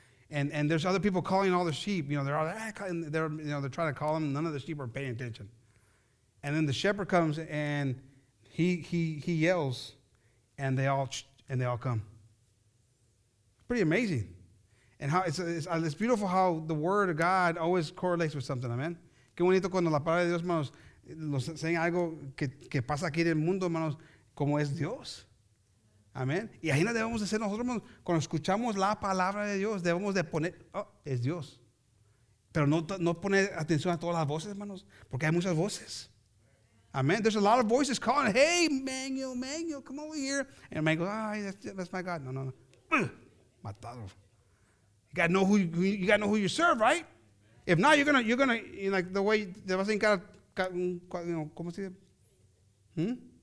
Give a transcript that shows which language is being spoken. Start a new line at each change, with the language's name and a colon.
English: And there's other people calling all the sheep. You know, they're all they're trying to call them. None of the sheep are paying attention. And then the shepherd comes and he yells, and they all come. Pretty amazing. And how it's beautiful how the word of God always correlates with something. Amen.
Spanish: Qué bonito cuando la palabra de Dios, hermanos, nos enseña algo que pasa aquí en el mundo, hermanos, como es Dios. Amén. Y ahí no debemos de ser nosotros, hermanos, cuando escuchamos la palabra de Dios, debemos de poner, es Dios. Pero no poner atención a todas las voces, hermanos, porque hay muchas voces. Amén.
English: There's a lot of voices calling, hey, Manuel, come over here. And man goes, ay, that's my God. No. Matado. You got to know who you serve, right? If not, you're gonna like the way
Spanish: te vas a hincar, ¿cómo se dice?